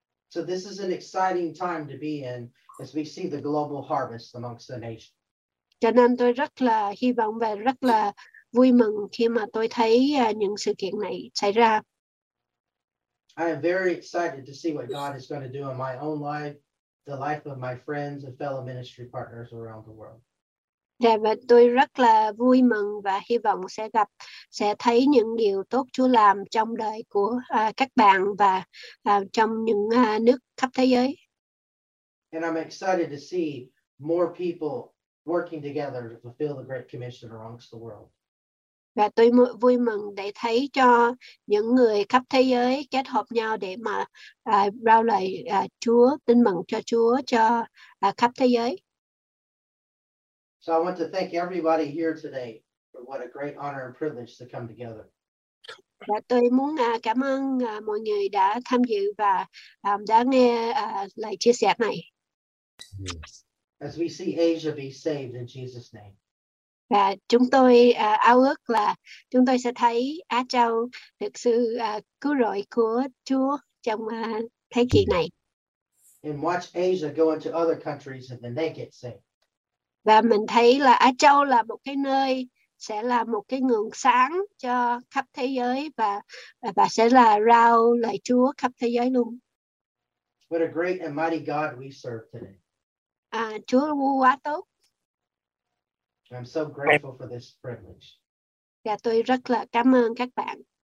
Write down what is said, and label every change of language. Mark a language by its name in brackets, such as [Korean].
[English] So this is an exciting time to be in as we see the global harvest amongst the nation. [Vietnamese] Cho nên tôi rất là hy vọng và rất là vui mừng khi mà tôi thấy những sự kiện này xảy ra. [English] I am very excited to see what God is going to do in my own life, the life of my friends and fellow ministry partners around the world. [Vietnamese] Dạ, và tôi rất là vui mừng và hy vọng sẽ gặp, sẽ thấy những điều tốt Chúa làm trong đời của các bạn và trong những nước khắp thế giới. [English] And I'm excited to see more people working together to fulfill the Great Commission amongst the world. [Vietnamese] Và tôi vui mừng để thấy cho những người khắp thế giới kết hợp nhau để mà rao lời Chúa, tin mừng cho Chúa cho khắp thế giới. [English] So I want to thank everybody here today for what a great honor and privilege to come together. [Vietnamese] Và tôi muốn cảm ơn mọi người đã tham dự và đã nghe lời chia sẻ này. [English] As we see Asia be saved in Jesus' name. [Vietnamese] Và chúng tôi ao ước là chúng tôi sẽ thấy Á Châu được sự cứu rỗi của Chúa trong thế kỷ này. [English] And watch Asia go into other countries and then they get saved. [Vietnamese] Và mình thấy là Á Châu là một cái nơi sẽ là một cái nguồn sáng cho khắp thế giới và sẽ là rao lời Chúa khắp thế giới luôn. [English] What a great and mighty God we serve today. [Vietnamese] Chúa quá tốt. [English] I'm so grateful for this privilege. [Vietnamese] Dạ, tôi rất là cảm ơn các bạn.